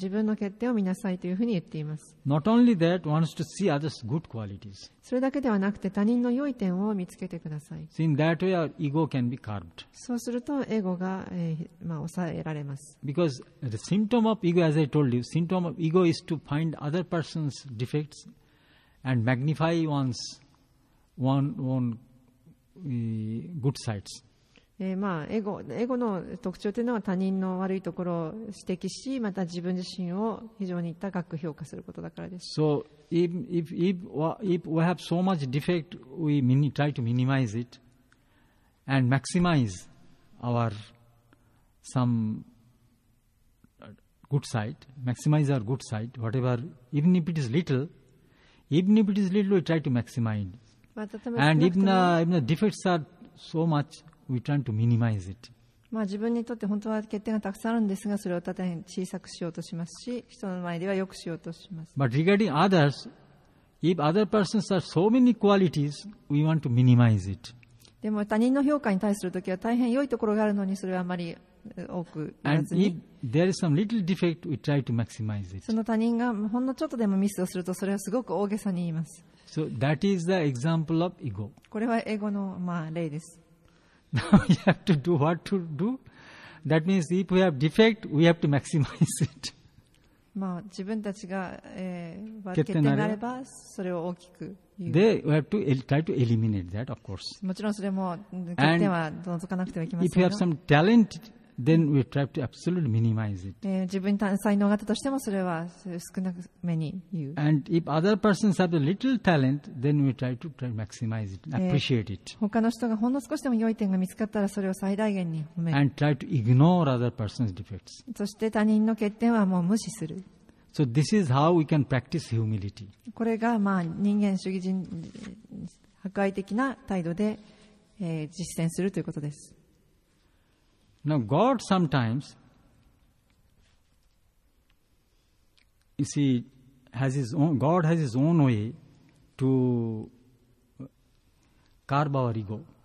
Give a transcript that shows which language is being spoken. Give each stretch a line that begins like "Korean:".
Japanese: 自分の欠点を見なさいというふうに言っています。
English: Not only that, wants to see others' good qualities.
Japanese: それだけではなくて、他人の良い点を見つけてください。
English: So in that way, our ego can be curbed.
Japanese: そうすると、エゴが、まあ、抑えられます。
English: Because the symptom of ego, as I told you, symptom of ego is to find other person's defects. And magnify one's own good sides.
Japanese: まあ、エゴの特徴というのは他人の悪いところを指摘し、また自分自身を非常に高く評価することだからです。
English: So if we have so much defect, we try to minimize it and maximize our some good side, maximize our good side, whatever, even if it is little. Even if it is little, we try to maximize. And even the defects are so much, we try to minimize it.
Japanese: まあ自分にとって本当は欠点がたくさんあるんですが、それを大変小さくしようとしますし、人の前では良くしようとします。
English: But regarding others, if other persons have so many qualities, we want to minimize it.
Japanese: でも他人の評価に対するときは大変良いところがあるのに、それはあまり多く言わずに。
English: And if there is some little defect, we try to maximize it.
Japanese: その他人がほんのちょっとでもミスをすると、それはすごく大げさに言います。
English: So that is the example of ego.
Japanese: これはエゴのまあ例です。
English: Now we have to do what to do. That means if we have defect, we have to maximize it.
Japanese: まあ自分たちが欠点があれば、それを大きく。
English: They have to try to eliminate that, of course.
Japanese: もちろんそれも欠点は除かなくてはいけませんが。
English: If you have some talent, then we try to absolutely minimize it.
Japanese: 自分に才能があったとしてもそれは少なく目に言う。
English: And if other persons have a little talent, then we try to maximize it, appreciate it.
Japanese: 他の人がほんの少しでも良い点が見つかったらそれを最大限に褒める。
English: And try to ignore other persons' defects.
Japanese: そして他人の欠点はもう無視する。
English: So this is how we can practice humility.
Japanese: これがまあ人間主義人破壊的な態度で実践するということです。
English: Now God sometimes, you see, God has his own way to carve our ego.